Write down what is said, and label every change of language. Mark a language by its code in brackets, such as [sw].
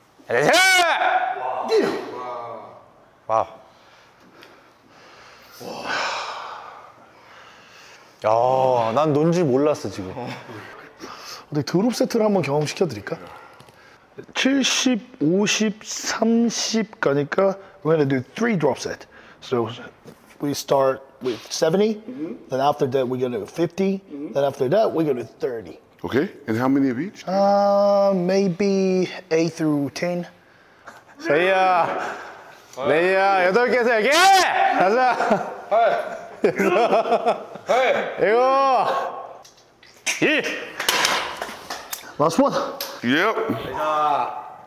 [ko] 대세! 와. 와. 야, 난 논 줄 몰랐어, 지금. 근데 드롭 세트를 한번 경험시켜 드릴까? [en] 70, 50, 30 [ko] 가니까 [en] we're going to do three drop set. So we start with 70, then after that we're going to 50, then after that we're going to 30. Okay? And how many of each? Maybe 8 through 10. [ko] 세이야, 레이야, 여덟 개서 여기 가자. 이거 이 [en] last one. Yep.